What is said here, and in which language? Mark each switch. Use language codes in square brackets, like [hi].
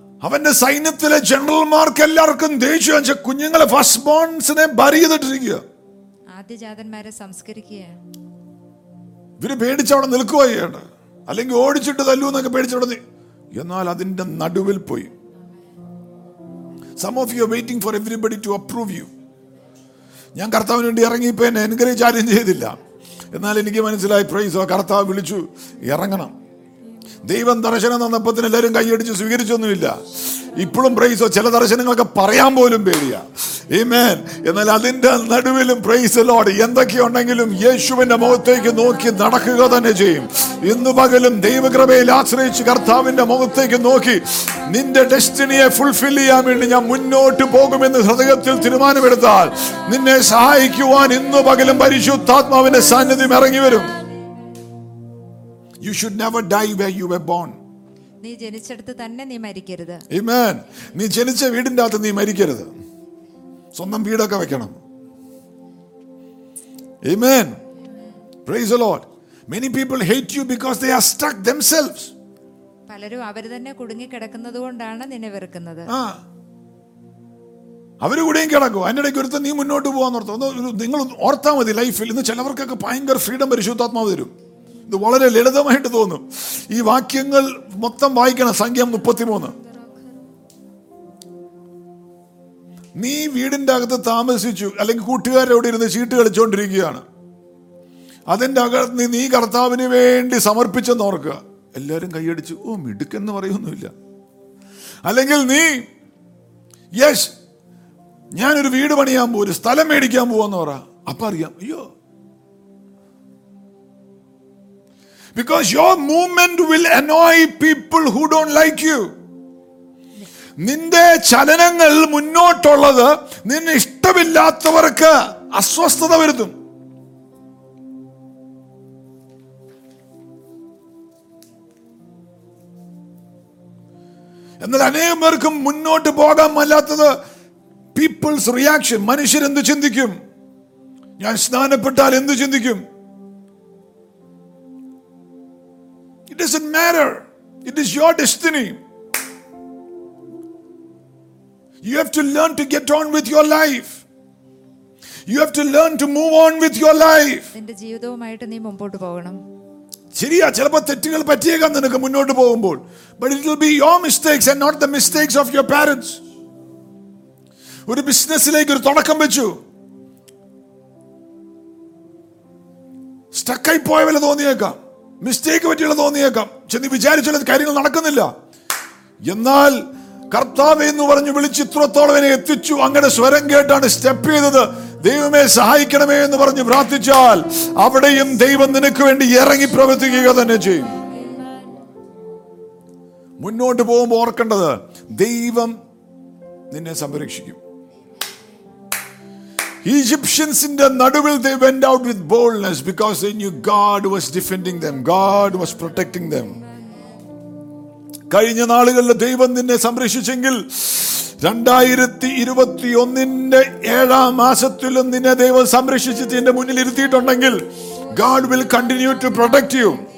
[ml] അവന്റെ സൈന്യത്തിലെ ജനറൽമാർക്ക് എല്ലാവർക്കും ദേഷ്യം വെച്ച കുഞ്ഞുങ്ങളെ ഫസ്റ്റ് ബോൺസിനെ ബറി ചെയ്തിട്ടിരിക്കുക. ഇവര് പേടിച്ചവിടെ നിൽക്കുകയാണ്, അല്ലെങ്കിൽ ഓടിച്ചിട്ട് തല്ലു എന്നൊക്കെ പേടിച്ചവിടെ. എന്നാൽ അതിന്റെ നടുവിൽ പോയി. [en] Some of you are waiting for everybody to approve you. [ml] ഞാൻ കർത്താവിന് വേണ്ടി ഇറങ്ങിയപ്പോ എന്നെ എൻകറേജ് ആരും ചെയ്തില്ല. എന്നാൽ എനിക്ക് മനസ്സിലായി, പ്രൈസ് ഓ കർത്താവ് വിളിച്ചു ഇറങ്ങണം. ദൈവം ദർശനം തന്നപ്പോ എല്ലാരും കൈയടിച്ച് സ്വീകരിച്ചൊന്നുമില്ല. ഇപ്പോഴും പ്രൈസ് ഓ ചില ദർശനങ്ങളൊക്കെ പറയാൻ പോലും പേടിയാ. ആമേൻ. എന്നാൽ അതിന്റെ നടുവിലും പ്രൈസ് ദി ലോർഡ്, എന്തൊക്കെയുണ്ടെങ്കിലും യേശുവിന്റെ മുഖത്തേക്ക് നോക്കി നടക്കുക തന്നെ ചെയ്യും. ഇന്നു പകലും ദൈവകൃപയിൽ ആശ്രയിച്ച് കർത്താവിന്റെ മുഖത്തേക്ക് നോക്കി നിന്റെ ഡെസ്റ്റിനിയെ ഫുൾഫിൽ ചെയ്യാൻ വേണ്ടി ഞാൻ മുന്നോട്ട് പോകുമെന്ന് ഹൃദയത്തിൽ തീരുമാനമെടുത്താൽ നിന്നെ സഹായിക്കുവാൻ ഇന്നു പകലും പരിശുദ്ധാത്മാവിന്റെ സാന്നിധ്യം ഇറങ്ങി വരും. [en] You should never die where you were born. [ml] നീ ജനിച്ചെടുത്ത് തന്നെ നീ മരിക്കരുത്. ആമേൻ. നീ ജനിച്ച വീടിന്റെ അകത്ത് നീ മരിക്കരുത്. സ്വന്തം വീടൊക്കെ വെക്കണം. [en] Amen. Praise the Lord. Many people hate you because they are stuck themselves. [ml] പലരും അവര് തന്നെ കുടുങ്ങി കിടക്കുന്നതുകൊണ്ടാണ് നിന്നെ വെറുക്കുന്നത്. ആ അവര് കൂടെയും കിടക്കും. അതിനിടയ്ക്ക് ഒരുത്ത നീ മുന്നോട്ട് പോവാൻ ഓർത്തോ. നിങ്ങൾ ഓർത്താ മതി ലൈഫിൽ. ഇന്ന് ചിലവർക്കൊക്കെ ഭയങ്കര ഫ്രീഡം പരിശുദ്ധാത്മാവ് തരും. ഇത് വളരെ ലളിതമായിട്ട് തോന്നും. ഈ വാക്യങ്ങൾ മൊത്തം വായിക്കണം. സംഖ്യ 33. നീ വീടിന്റെ അകത്ത് താമസിച്ചു, അല്ലെങ്കിൽ കൂട്ടുകാരോടെ ഇരുന്ന് ചീട്ട് കളിച്ചോണ്ടിരിക്കുകയാണ്. അതിന്റെ അകത്ത് നീ കർത്താവിന് വേണ്ടി സമർപ്പിച്ചെന്ന് ഓർക്കുക. എല്ലാരും കൈയടിച്ചു, ഓ മിടുക്കെന്ന് പറയൊന്നുമില്ല. അല്ലെങ്കിൽ നീ യെസ് ഞാനൊരു വീട് പണിയാൻ പോകും, ഒരു സ്ഥലം മേടിക്കാൻ പോവാന്ന് പറ. അപ്പൊ അറിയാം, അയ്യോ. [en] Because your movement will annoy people who don't like you. [ml] നിന്റെ ചലനങ്ങൾ മുന്നോട്ടുള്ളത് നിന്നെ ഇഷ്ടമില്ലാത്തവർക്ക് അസ്വസ്ഥത വരുത്തും. എന്നാൽ അനേകം പേർക്കും മുന്നോട്ട് പോകാൻ അല്ലാത്തത് പീപ്പിൾസ് റിയാക്ഷൻ. മനുഷ്യരെന്ത് ചിന്തിക്കും? ഞാൻ സ്നാനപ്പെട്ടാൽ എന്ത് ചിന്തിക്കും? [en] It doesn't matter. It is your destiny. You have to learn to get on with your life. You have to learn to move on with your life. [ml] നിന്റെ ജീവിതവുമായിട്ട് നീ മുന്നോട്ട് പോകണം. ശരിയാ, ചിലപ്പോ തെറ്റുകൾ പറ്റിയേക്കാം നിനക്ക് മുന്നോട്ട് പോകുമ്പോൾ. [en] But it will be your mistakes and not the mistakes of your parents. [ml] ഒരു ബിസിനസ്സിലേക്ക് ഒരു തുടക്കം വെച്ചു, സ്റ്റക്ക് ആയി പോയവരെ തോന്നിയേക്കാം, മിസ്റ്റേക്ക് പറ്റിയുള്ള തോന്നിയേക്കാം. ചെന്ന് വിചാരിച്ചുള്ള കാര്യങ്ങൾ നടക്കുന്നില്ല. എന്നാൽ കർത്താവ് എന്ന് പറഞ്ഞു വിളിച്ച് ഇത്രത്തോളം എന്നെ എത്തിച്ചു, അങ്ങയുടെ സ്വരം കേട്ടാണ് സ്റ്റെപ്പ് ചെയ്തത്, ദൈവമേ സഹായിക്കണമേ എന്ന് പറഞ്ഞു പ്രാർത്ഥിച്ചാൽ അവിടെയും ദൈവം നിനക്ക് വേണ്ടി ഇറങ്ങി പ്രവർത്തിക്കുക തന്നെ ചെയ്യും. മുന്നോട്ട് പോകുമ്പോൾ ഓർക്കേണ്ടത് ദൈവം നിന്നെ സംരക്ഷിക്കും. [en] Egyptians in the nadavil they went out with boldness because they knew God was defending them, God was protecting them. [ml] കഴിഞ്ഞ നാളുകളിലെ ദൈവം നിന്നെ സംരക്ഷിച്ചെങ്കിൽ 2021 ഏഴാം മാസത്തിലും നിന്നെ ദൈവം സംരക്ഷിച്ച് നിന്റെ മുന്നിൽ ഇരുത്തിയിട്ടുണ്ടെങ്കിൽ [en] God will continue to protect you.